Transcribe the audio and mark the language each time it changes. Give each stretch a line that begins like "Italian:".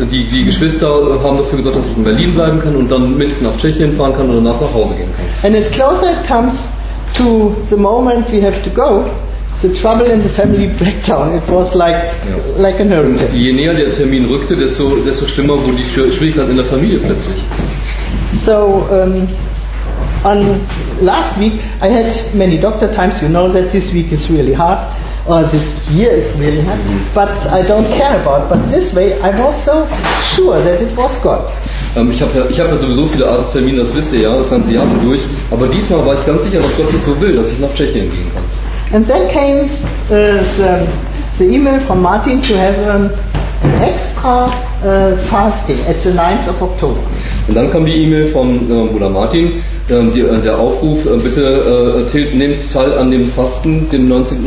German: Die Geschwister haben dafür gesorgt, dass ich in Berlin bleiben kann und dann mit nach Tschechien fahren kann und danach nach Hause gehen kann.
English: And as closer it comes to the moment we have to go, the trouble in the family breakdown, it was like an hurricane.
German: Und je näher der Termin rückte, desto schlimmer wurde die Schwierigkeit in der Familie plötzlich.
English: So, on last week, I had many doctor times. You know that this week is really hard, or this year is really hard, but I don't care about. But this way, I was so sure that it was God.
German: Ich hab ja sowieso viele Arzttermine, das wisst ihr ja, das ganze Jahr durch. Aber diesmal war ich ganz sicher, dass Gott es so will, dass ich nach Tschechien gehen kann.
English: And then came the email from Martin to have an extra fasting at the 9th of October.
German: Und dann kam die E-Mail von Bruder Martin, der Aufruf, bitte nehmt teil an dem Fasten, dem 19.